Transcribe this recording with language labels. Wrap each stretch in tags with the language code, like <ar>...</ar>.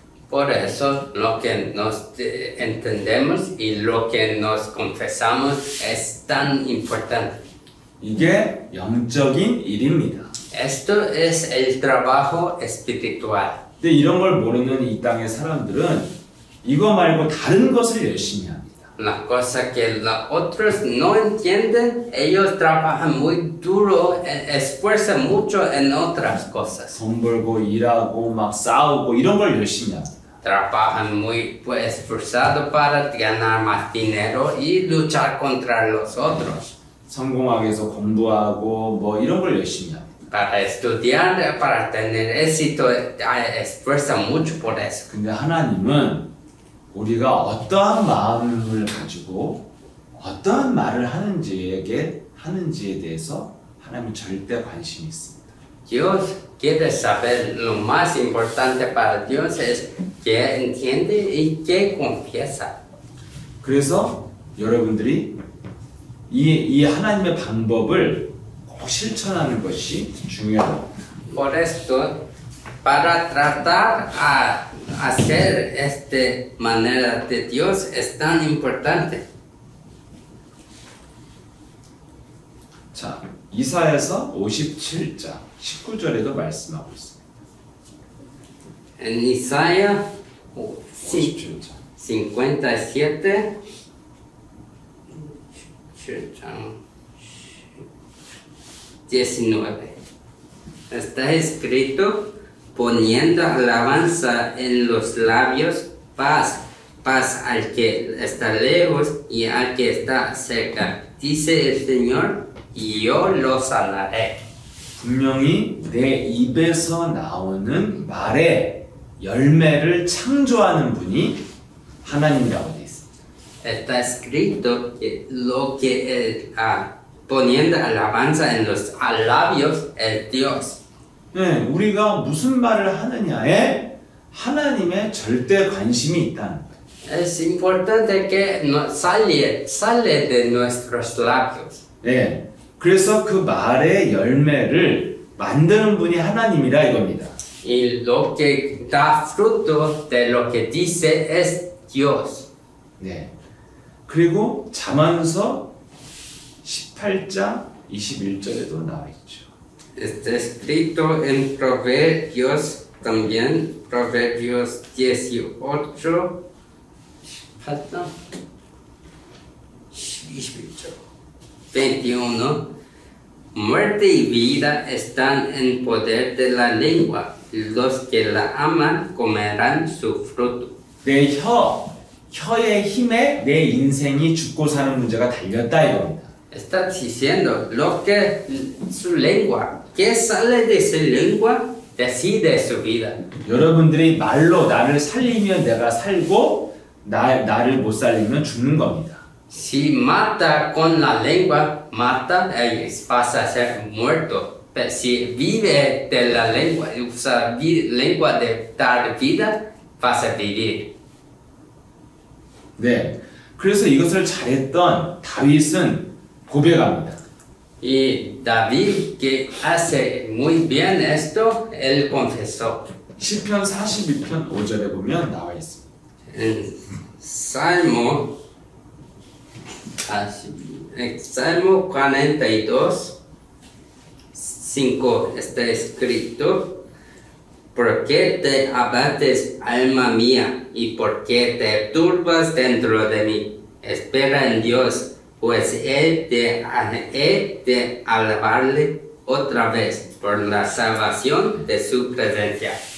<es>Por eso lo que nos entendemos y lo que nos confesamos es tan importante.</es> <ko>이게 영적인 일입니다.</ko> <es>Esto es el trabajo espiritual.</es> <ko>근데 이런 걸 모르는 이 땅의 사람들은 이거 말고 다른 것을 열심히 합니다.</ko> <es>La cosa que los otros no entienden, ellos trabajan muy duro, esfuerzan mucho en otras cosas.</es> <ko>돈 벌고 일하고 막 싸우고 이런 걸 열심히 합니다.</ko> <es>Trabajan muy esforzado para ganar más dinero y luchar contra los otros.</es> <ko>성공하기 위해서 공부하고 뭐 이런 걸 열심히 합니다.</ko> <es>Para estudiar, para tener éxito, esfuerza mucho por eso.</es> <ko>근데 하나님은 우리가 어떠한 마음을 가지고 어떠한 말을 하는지에 대해서 하나님은 절대 관심이 있습니다.</ko> <es>Dios quiere saber lo más importante para Dios es que entiende y que confiesa.</es> <ko>그래서 여러분들이 이 하나님의 방법을 실천하는 것이 중요합니다.</ko> <es>Por esto, para tratar a hacer esta manera de Dios es tan importante.</es> <ko>자, 이사야서 57장 19절에도 말씀하고 있습니다.</ko> <es>En Isaías 57,</es> <ko>7장 19.</ko> <es>Está escrito poniendo alabanza en los labios, paz, paz al que está lejos y al que está cerca. Dice el Señor, y yo lo sanaré.</es> <ko>분명히 내 입에서 나오는 말에 열매를 창조하는 분이 하나님이라고 돼 있습니다.</ko> <es>Está escrito que lo que él ha poniendo alabanza en los labios el Dios.</es> <ko>네, 우리가 무슨 말을 하느냐에 하나님의 절대 관심이 있다는 거예요.</ko> <es>Es importante que sale de nuestros labios.</es> <ko>네, 그래서 그 말의 열매를 만드는 분이 하나님이라 이겁니다.</ko> <es>Y lo que da fruto de lo que dice es Dios.</es> <ko>네, 그리고 잠언서 18장 21절에도 나와 있죠.</ko> <es>Está escrito en Proverbios también, Proverbios 18,</es> <ko>18장 21절</ko> <es>21. Muerte y vida están en poder de la lengua. Los que la aman comerán su fruto.</es> <ko>내 혀의 힘에 내 인생이 죽고 사는 문제가 달렸다 이겁니다.</ko> <es>está diciendo lo que su lengua, que sale de su lengua, decide su vida.</es> <ko>여러분들이 말로 나를 살리면 내가 살고 나를 못 살리면 죽는 겁니다.</ko> <es>Si mata con la lengua, mata, pasa a ser muerto. Pero si vive de la lengua, usa lengua de dar vida, pasa a vivir.</es> <ko>네. 그래서 이것을 잘했던 다윗은 고백합니다.</ko> <es>Y David que hace muy bien esto, él confesó.</es> <ko>시편 42편 5절에 보면 나와 있습니다.</ko> <es>Salmo 42:5 está escrito: ¿Por qué te abates, alma mía? ¿Y por qué te turbas dentro de mí? Espera en Dios, pues he de alabarle otra vez por la salvación de su presencia.</es>